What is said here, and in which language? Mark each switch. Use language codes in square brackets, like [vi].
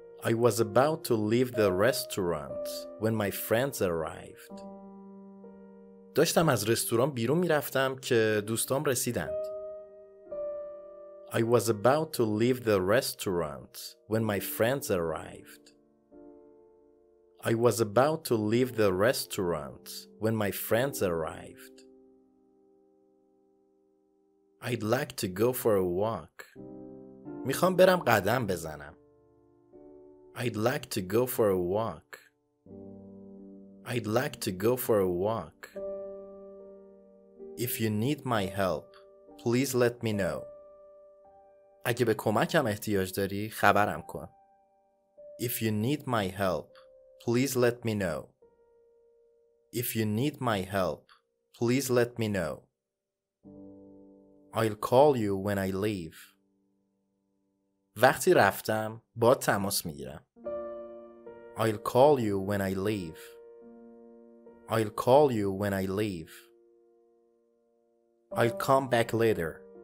[en] I was about to leave the restaurant when my friends arrived. [fa] داشتم از رستوران بیرون میرفتم که دوستام رسیدند. [en] I was about to leave the restaurant when my friends arrived. I was about to leave the restaurant when my friends arrived. I'd like to go for a walk. [fa] میخوام برم قدم بزنم. [en] I'd like to go for a walk. I'd like to go for a walk. If you need my help, please let me know. [fa] اگه به کمکم احتیاج داری خبرم کن. [en] If you need my help, please let me know. If you need my help, please let me know. I'll call you when I leave. [fa] وقتی رفتم با تماس میگیرم. [en] I'll call you when I leave. I'll call you when I leave. I'll come back later.